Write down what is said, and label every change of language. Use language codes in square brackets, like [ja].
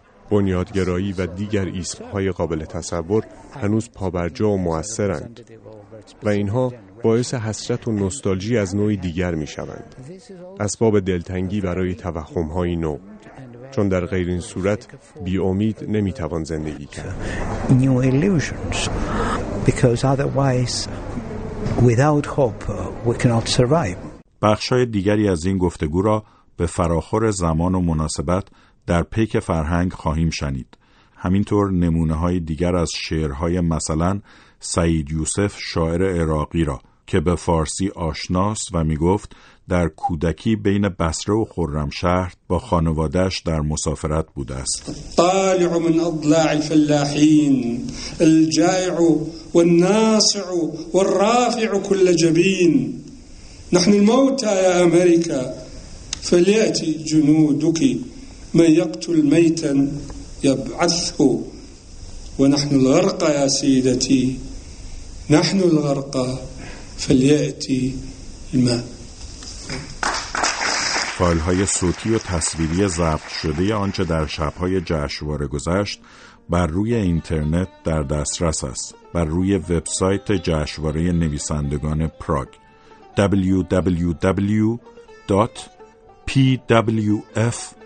[fa] بنیادگرایی و دیگر اسم‌های قابل تصور هنوز پابرجا و مؤثرند، و اینها باعث حسرت و نوستالژی از نوعی دیگر می‌شوند، اسباب دلتنگی برای توهم‌های نو، چون در غیر این صورت بی امید نمیتوان زندگی کرد. [en] New illusions, because otherwise without hope we cannot survive. [fa] بخش‌های دیگری از این گفتگو را به فراخور زمان و مناسبت در پیک فرهنگ خواهیم شنید. همینطور نمونه‌های دیگر از شعرهای مثلا سعید یوسف شاعر عراقی را که به فارسی آشناست و میگفت در کودکی بین بصره و خرمشهر با خانواده‌اش در مسافرت بوده است. [ar] طالع من اضلاع الفلاحين الجائع والناصع والرافع كل جبين نحن الموتى يا امريكا فلياتي جنودك من يقتل ميتا يبعثه ونحن الغرقى يا سيدتي نحن الغرقى فلياتي الماء. [fa] فایل‌های صوتی و تصویری ضبط شده آنچه در شب‌های جشنواره گذشت بر روی اینترنت در دسترس است، بر روی وبسایت جشنواره نویسندگان پراگ www.pwf.org.